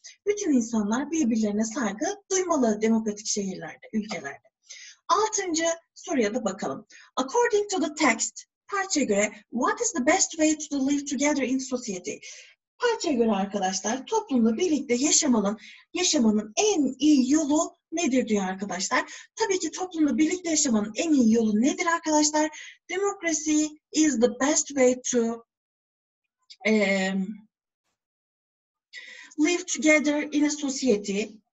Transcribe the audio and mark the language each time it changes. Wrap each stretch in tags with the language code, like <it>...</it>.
<tr>Bütün insanlar birbirlerine saygı duymalı demokratik şehirlerde, ülkelerde. Altıncı soruya da bakalım.</tr> <en>According to the text,</en> <tr>parçaya göre,</tr> <en>what is the best way to live together in society?</en> <tr>Hayç'a göre arkadaşlar toplumla birlikte yaşamanın en iyi yolu nedir diyor arkadaşlar. Tabii ki toplumla birlikte yaşamanın en iyi yolu nedir arkadaşlar?</tr> <en>Democracy is the best way to live together in a society.</en>